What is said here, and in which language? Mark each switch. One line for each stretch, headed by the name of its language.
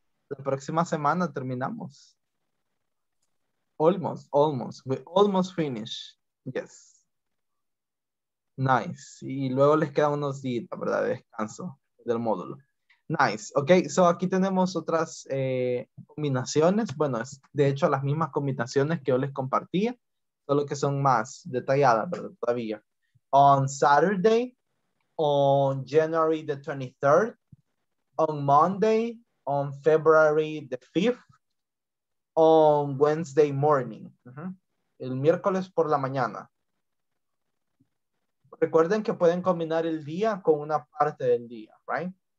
Spanish: La próxima semana terminamos.
English: Almost, almost, we almost finish, yes. Nice.
Spanish: Y luego les queda unos días, ¿verdad? De descanso del módulo. Nice. Ok, so aquí tenemos otras combinaciones. Bueno, es de hecho las mismas combinaciones que yo les compartía, solo que son más detalladas, ¿verdad? Todavía.
English: On Saturday, on January the 23rd, on Monday, on February the 5th, on Wednesday morning.
Spanish: Uh-huh. El miércoles por la mañana. Recuerden que pueden combinar el día con una parte del día, right?